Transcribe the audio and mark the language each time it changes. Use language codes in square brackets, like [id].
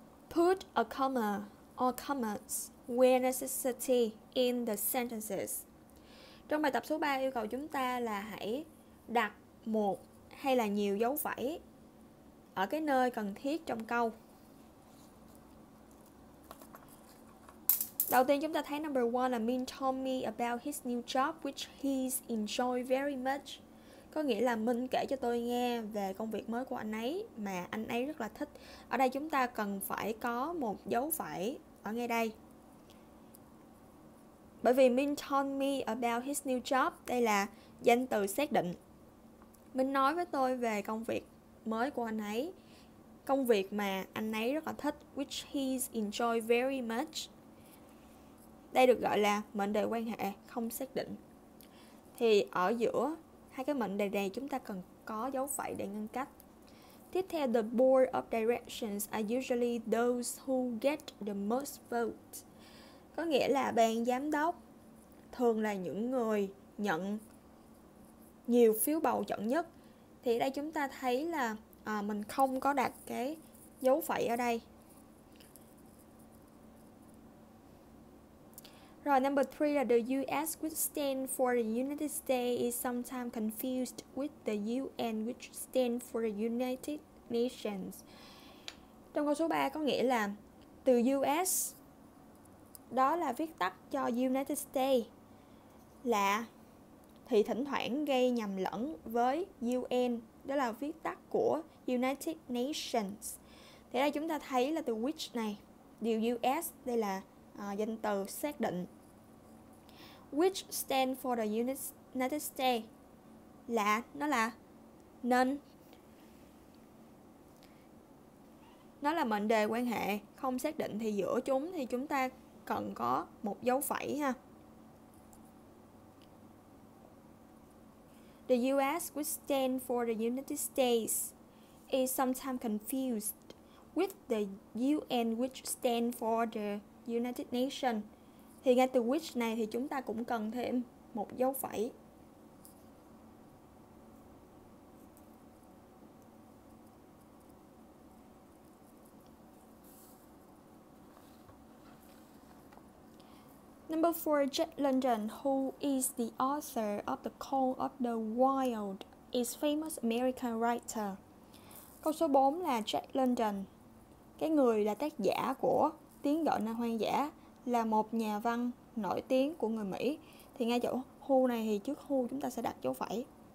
[en] Put a comma or commas where necessary in the sentences. [vi] Trong bài tập số 3, yêu cầu chúng ta là hãy đặt một hay là nhiều dấu phẩy ở cái nơi cần thiết trong câu. Đầu tiên chúng ta thấy [en] number 1 là Min told me about his new job which he's enjoyed very much. [vi] Có nghĩa là Min kể cho tôi nghe về công việc mới của anh ấy mà anh ấy rất là thích. Ở đây chúng ta cần phải có một dấu phẩy ở ngay đây. Bởi vì [en] Min told me about his new job, [vi] đây là danh từ xác định. Min nói với tôi về công việc mới của anh ấy. Công việc mà anh ấy rất là thích, [en] which he's enjoyed very much. [vi] Đây được gọi là mệnh đề quan hệ không xác định. Thì ở giữa hai cái mệnh đề này chúng ta cần có dấu phẩy để ngăn cách. Tiếp theo, [en] the board of directors are usually those who get the most votes. [vi] Có nghĩa là ban giám đốc thường là những người nhận nhiều phiếu bầu chọn nhất. Thì ở đây chúng ta thấy là mình không có đặt cái dấu phẩy ở đây. [en] Rồi, number 3 là the US which stands for the United States is sometimes confused with the UN which stands for the United Nations. [vi] Trong câu số 3 có nghĩa là từ US, đó là viết tắt cho United States, là thì thỉnh thoảng gây nhầm lẫn với UN, đó là viết tắt của United Nations. Thì đây chúng ta thấy là từ which này, the US, đây là danh từ xác định. [en] Which stands for the United States [vi] là nó là [en] none. [vi] Nó là mệnh đề quan hệ không xác định, thì giữa chúng thì chúng ta cần có một dấu phẩy ha. [en] The US which stands for the United States is sometimes confused with the UN which stands for the United Nations. [vi] Thì ngay từ which này thì chúng ta cũng cần thêm một dấu phẩy. [en] Number 4, Jack London, who is the author of The Call of the Wild, is famous American writer. [vi] Câu số 4 là Jack London, cái người là tác giả của Tiếng Gọi Nơi Hoang Dã, là một nhà văn nổi tiếng của người Mỹ. Thì ngay chỗ who này thì trước who chúng ta sẽ đặt dấu phẩy.